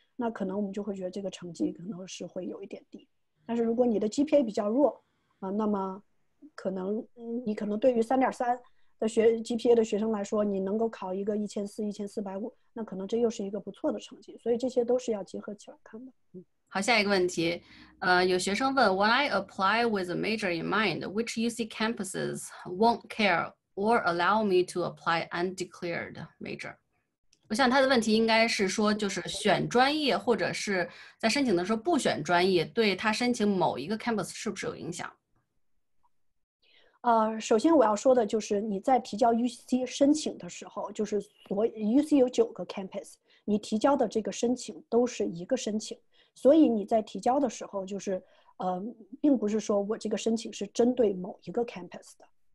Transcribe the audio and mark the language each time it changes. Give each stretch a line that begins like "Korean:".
Chinese: 那可能我们就会觉得这个成绩可能是会有一点低，但是如果你的 GPA 比较弱，那么可能你可能对于 3.3 的学 GPA 的学生来说，你能够考一个1400、1450，那可能这又是一个不错的成绩，所以这些都是要结合起来看的。好，下一个问题，有学生问
English: ，When I apply with a major in mind, which UC campuses won't care or allow me to apply undeclared major?
Chinese: 我想他的问题应该是说，就是选专业或者是在申请的时候不选专业，对他申请某一个 campus 是不是有影响？首先我要说的就是你在提交 UC 申请的时候，就是所 UC 有9个 campus， 你提交的这个申请都是一个申请，所以你在提交的时候就是并不是说我这个申请是针对某一个 campus 的。